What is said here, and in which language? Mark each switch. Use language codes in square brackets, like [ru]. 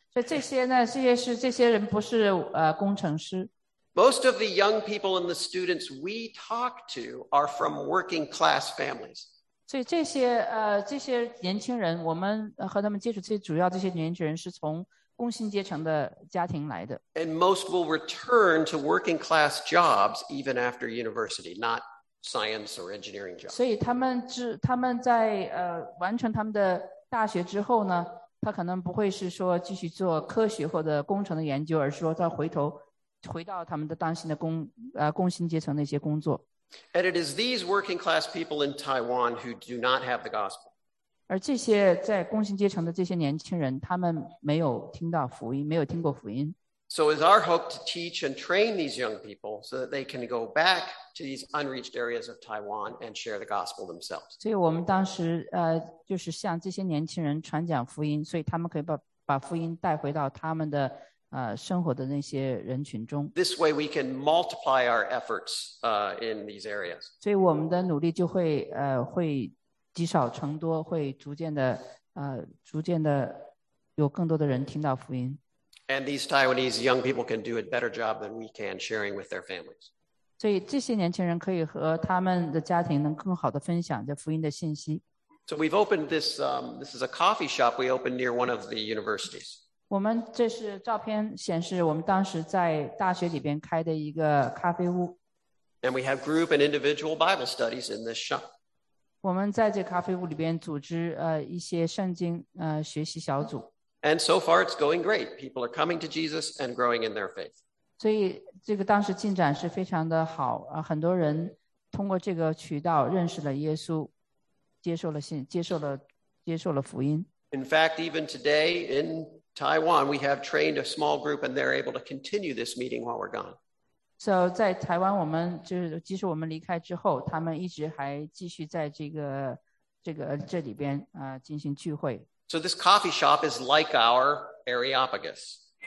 [zh] 所以这些人不是工程师。 [en] Most of the young people and the students we talk to are from working class families. [zh] 所以这些年轻人，我们和他们接触，最主要这些年轻人是从工薪阶层的家庭来的。 [en] And most will return to working class jobs even after university, not science or engineering jobs. [zh] 所以他们在完成他们的大学之后呢，他可能不会是说继续做科学或者工程的研究，而是说他回到他们的当前的工薪阶层那些工作。 [en] And it is these working class people in Taiwan who do not have the gospel. [zh] 而这些在工薪阶层的这些年轻人，他们没有听到福音，没有听过福音。 [en] So it's our hope to teach and train these young people so that they can go back to these unreached areas of Taiwan and share the gospel themselves. [zh] 所以我们当时就是向这些年轻人传讲福音，所以他们可以把福音带回到他们的生活的那些人群中。 [en] This way we can multiply our efforts in these areas. [zh] 所以我们的努力就会。积少成多，会逐渐的有更多的人听到福音。 [en] And these Taiwanese young people can do a better job than we can sharing with their families. [zh] 所以这些年轻人可以和他们的家庭能更好的分享这福音的信息。 [en] So we've opened this, this is a coffee shop we opened near one of the universities. [zh] 我们这是照片显示我们当时在大学里边开的一个咖啡屋。 [en] And we have group and individual Bible studies in this shop. [zh] 我们在这咖啡屋里边组织一些圣经学习小组。 [en] And so far it's going great. People are coming to Jesus and growing in their faith. [zh] 所以这个当时进展是非常的好很多人通过这个渠道认识了耶稣，接受了福音。 [en] In fact, even today in Taiwan, we have trained a small group and they're able to continue this meeting while we're gone. [zh] So, 在台湾我们就是即使我们离开之后他们一直还继续在这里边进行聚会。 [en] So this coffee shop is like our Areopagus.